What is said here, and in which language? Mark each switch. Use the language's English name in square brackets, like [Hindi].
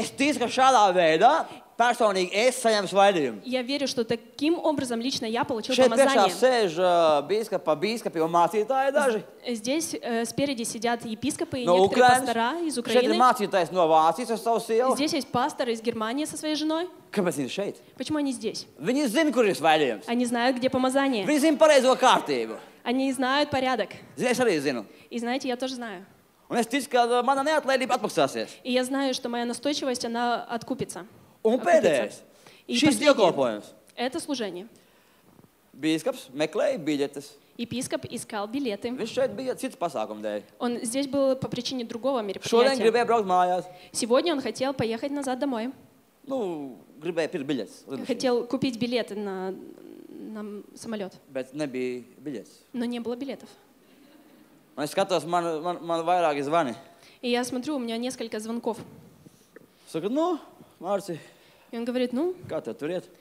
[Latvian] Es ticu, ka šādā veidā personīgi es saņemu svaidījumu. [Russian] Я верю, что таким образом лично я получил помазание. [Latvian] Šeit priekšā sēž bīskapi un mācītāji daži. [Russian] Здесь спереди сидят епископы и некоторые пастора из Украины. [Latvian] Šeit ir mācītājs no Vācijas ar savu sievu. [Russian] Здесь есть пастор из Германии со своей женой. [Latvian] Kāpēc viņi šeit? [Russian] Почему они здесь? [Latvian] Viņi zina, kur ir svaidījums. [Russian] Они знают, где помазание. [Latvian] Viņi zina pareizo kārtību. [Russian] Они знают порядок. [Latvian] Es arī zinu. [Russian] И знаете, я тоже знаю. [Latvian] Un es ticu, ka mana neatlēdība atmaksāsies. [Russian] И я знаю, что моя настойчивость, она откупится. [Latvian] Un pēdējais. Šis dievkalpojums. [Russian] Это служение. [Latvian] Bīskaps meklēja biļetes. [Russian] Епископ искал билеты. [Latvian] Viņš šeit bija cits pasākums dēļ. [Russian] Он здесь был по причине другого мероприятия. [Latvian] Šodien gribēja braukt mājās. [Russian] Сегодня он хотел поехать назад домой. [Latvian] Nu, gribēja pirkt biļetes. [Russian] Хотел купить билеты на самолёт. [Latvian] Bet nebija biļetes. [Russian] Но не было билетов. [Latvian] Un es skatos, man vairāki zvani. [Russian] И я смотрю, у меня несколько звонков. [Latvian] Saka, ну, Марти. [Russian] И он говорит, ну. [Latvian] Kā tev turiet?